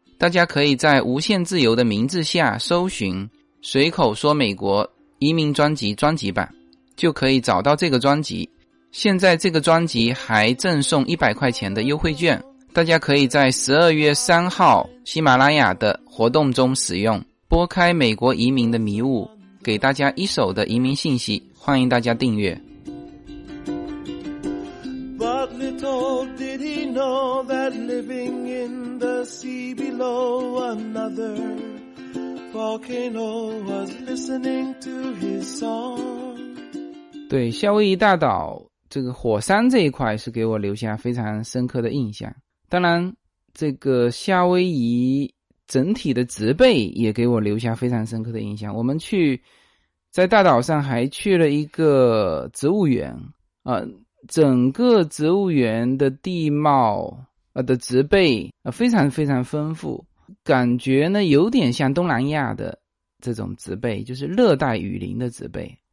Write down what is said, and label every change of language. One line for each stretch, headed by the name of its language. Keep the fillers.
Chinese: 大家可以在“无限自由”的名字下搜寻“随口说美国移民专辑”专辑版，就可以找到这个专辑。现在这个专辑还赠送一百块钱的优惠券，大家可以在十二月三号喜马拉雅的活动中使用。拨开美国移民的迷雾，给大家一手的移民信息。欢迎大家订阅
English: but little did he know that living in the sea below another volcano was listening to his song
Chinese: 对夏威夷大岛这个火山这一块是给我留下非常深刻的印象当然这个夏威夷整体的植被也给我留下非常深刻的印象我们去在大岛上还去了一个植物园啊、呃，整个植物园的地貌呃的植被呃非常非常丰富，感觉呢有点像东南亚的这种植被，就是热带雨林的植被。